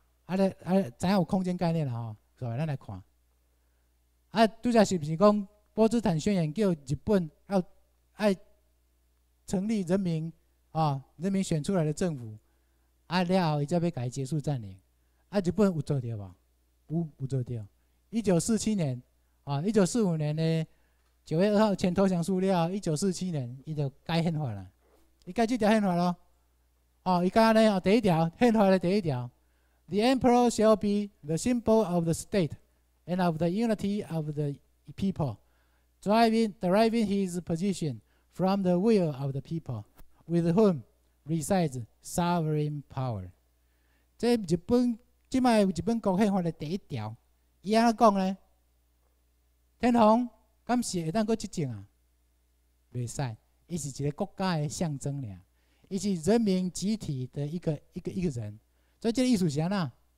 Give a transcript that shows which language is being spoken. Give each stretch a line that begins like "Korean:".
Min Nan Chinese: 啊咧啊，知影有空间概念啦吼，所以咱来看。啊，拄则是不是讲波茨坦宣言叫日本要爱成立人民啊，人民选出来的政府，啊了后伊才要改结束占领。啊，日本有做到无？有做到。1947年啊，1945年呢？ 9月2号前投降书了，1947年，伊就改宪法了。伊改这条宪法咯，哦，伊改呢第一条宪法的第一条
English: ，The Emperor shall be the symbol of the state and of the unity of the people, deriving his position from the will of the people, with whom resides sovereign power。
Min Nan Chinese: 这日本即卖日本国宪法的第一条，伊安怎讲呢？天皇。敢是会当阁执政啊？袂使，伊是一个国家的象征尔，伊是人民集体的一个人。所以这个意思是安那？